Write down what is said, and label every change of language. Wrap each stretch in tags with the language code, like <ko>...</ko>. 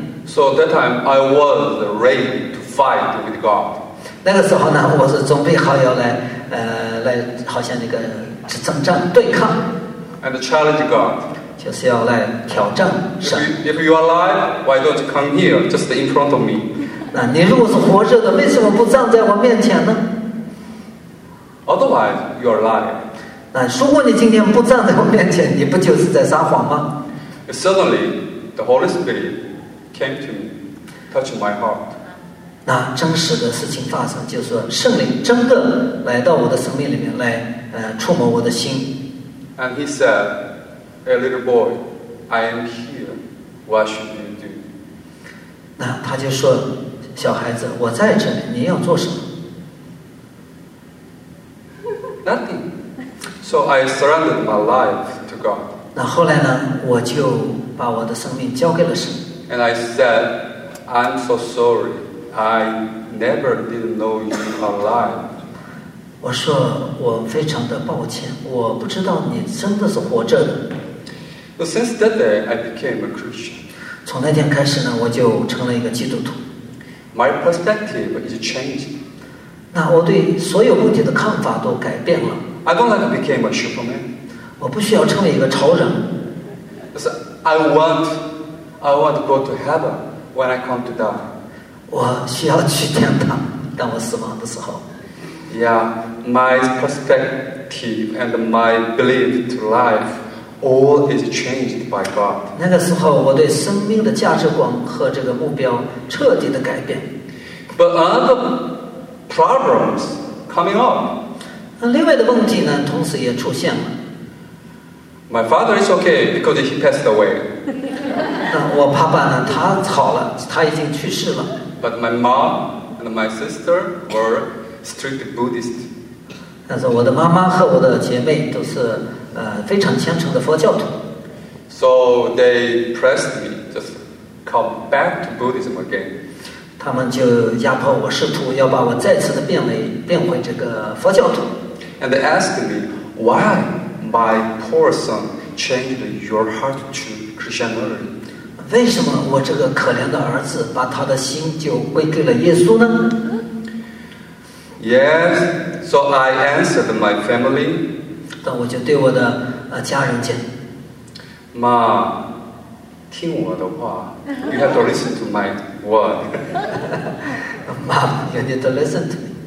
<en>So that time I was ready to fight with God.</en> <zh>那个时候呢，我是准备好要来，来好像那个征战对抗。</zh> <en>And challenge God.</en> <zh>就是要来挑战神。</zh> <en>If you are alive, why don't you come here, just in front of me?</en> <zh>那你如果是活着的，为什么不站在我面前呢？</zh> <en>Otherwise, you are lying.</en> <zh>那如果你今天不站在我面前，你不就是在撒谎吗？</zh> <en>Suddenly, the Holy Spirit came to me, touched my heart.</en> <zh>那真实的事情发生，就是说圣灵真的来到我的生命里面来，触摸我的心。</zh> <en>And he said, "A little boy, I am here. What should you do?"</en> <zh>那他就说，小孩子，我在这里，你要做什么？</zh> <en>Nothing. So I surrendered my life to God.</en> <zh>那后来呢，我就把我的生命交给了神。</zh> <en>And I said, "I'm so sorry. I never did know you alive."</en> <zh>我说我非常的抱歉，我不知道你真的是活着的。</zh> <en>So since that day, I became a Christian.</en> <zh>从那天开始呢，我就成了一个基督徒。</zh> <en>My perspective is changing.</en> <zh>那我对所有问题的看法都改变了。</zh> <en>I don't like to become a superman.</en> <zh>我不需要成为一个超人。</zh> <en>So I want to go to heaven when I come to die.</en> <zh>我需要去天堂，当我死亡的时候。</zh> <en>Yeah, my perspective and my belief to life, all is changed by God.</en> <zh>那个时候，我对生命的价值观和这个目标彻底的改变。</zh> <en>But other problems coming up.</en> <zh>另外的问题呢，同时也出现了。</zh> <en>My father is okay because he passed away.</en> <zh>我爸爸呢，他好了，他已经去世了。</zh> <en>But my mom and my sister were strict Buddhist.</en> <zh>但是我的妈妈和我的姐妹都是非常虔诚的佛教徒。</zh> <en>So they pressed me just come back to Buddhism again.</en> <zh>他们就压迫我，试图要把我再次的变回这个佛教徒。</zh> <en>And they asked me why my poor son changed your heart to Christianity.</en> <zh>为什么我这个可怜的儿子把他的心就归给了耶稣呢？</zh> <en>Yes, so I answered my family.</en> <zh>那我就对我的家人讲。妈，听我的话。</zh> <en>You have to listen to my word. 妈 ，you need to listen to me.</en>